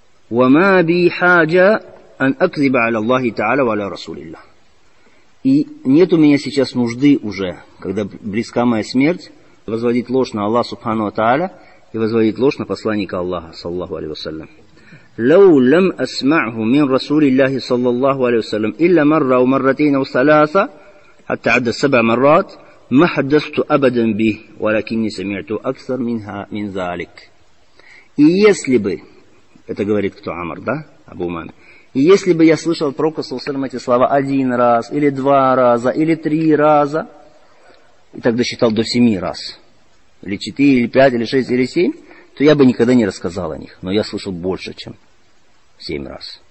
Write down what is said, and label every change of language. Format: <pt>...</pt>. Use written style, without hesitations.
<ar>وَمَا بِي حَاجَ أَنْ أَكْذِبَ عَلَى اللَّهِ تَعَالَ وَعَلَى رَسُولِ اللَّهِ.</ar> <ru>И нет у меня сейчас нужды уже, когда близка моя смерть, возводить ложь на Аллах Субхану Ва Тааля и возводить ложь на посланника Аллаха, саллаллаху алейхи ва саллям.</ru> <ar>لو لم أسمعه من رسول الله صلى الله عليه وسلم إلا مرة أو مرتين أو ثلاثة حتى عدى سبع مرات ما حدثت أبدا به ولكني سمعت أكثر منها من ذلك.</ar> <ru>И если бы, это говорит кто, Амар, да, Абу Умама, и если бы я слышал пророка, саллаллаху алейхи ва саллям, эти слова один раз, или два раза, или три раза, и тогда считал до семи раз, или четыре, или пять, или шесть, или семь, то я бы никогда не рассказал о них, но я слышал больше, чем семь раз.</ru>